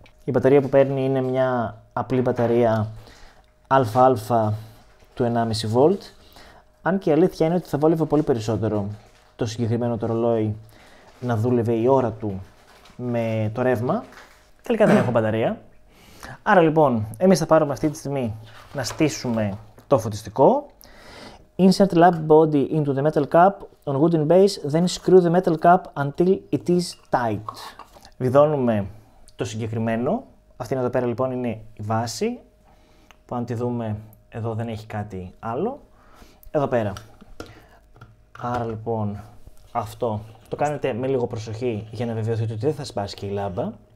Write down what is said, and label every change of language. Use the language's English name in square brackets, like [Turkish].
[Greek] Η μπαταρία που παίρνει είναι μια απλή μπαταρία αα του 1,5 volt. Αν και η αλήθεια είναι ότι θα βόλευε πολύ περισσότερο το συγκεκριμένο το ρολόι να δούλευε η ώρα του με το ρεύμα. Τελικά δεν έχω μπαταρία. Άρα λοιπόν, εμείς θα πάρουμε αυτή τη στιγμή να στήσουμε το φωτιστικό. [English] Insert lab body into the metal cup on wooden base, then screw the metal cup until it is tight. [Greek] Βιδώνουμε το συγκεκριμένο. Αυτή εδώ πέρα λοιπόν είναι η βάση, που αν τη δούμε εδώ δεν έχει κάτι άλλο. Εδώ πέρα. Άρα λοιπόν, αυτό το κάνετε με λίγο προσοχή για να βεβαιωθείτε ότι δεν θα σπάσει και η λάμπα.